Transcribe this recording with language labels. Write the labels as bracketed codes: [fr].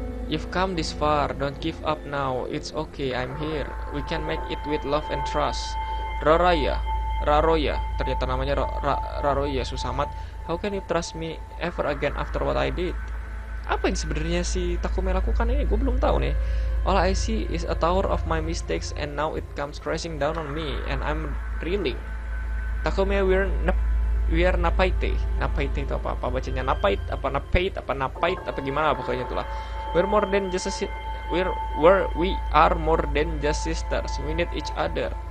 [en] You've come this far. Don't give up now. It's okay. I'm here. We can make it with love and trust. Raroya. [id] Ternyata namanya Raroya. Susah amat. [en] How can you trust me ever again after what I did? [id] Apa yang sebenarnya si Takume lakukan ini? Gue belum tahu nih. [en] All I see is a tower of my mistakes and now it comes crashing down on me and I'm reeling. Takume, we're napaite. [id] Napaite itu apa? Bacanya napait, apa napait, apa napait, apa gimana pokoknya itulah. [en] We are more than just sisters. We need each other.